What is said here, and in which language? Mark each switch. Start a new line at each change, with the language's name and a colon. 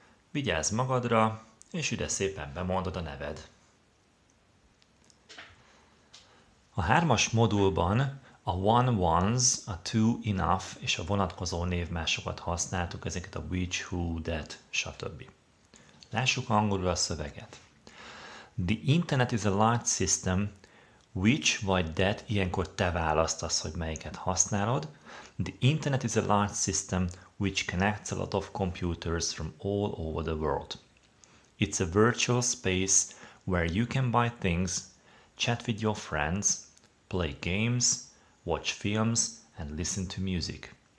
Hungarian: Vigyázz magadra, és ide szépen bemondod a neved. A hármas modulban a one once, a two enough és a vonatkozó névmásokat használtuk, ezeket a which, who, that, stb. Lássuk angolul a szöveget.
English: The internet is a large system.
Hungarian: Which vagy that, ilyenkor te választasz, hogy melyiket használod.
English: The internet is a large system which connects a lot of computers from all over the world. It's a virtual space where you can buy things, chat with your friends, play games, watch films, and listen to music.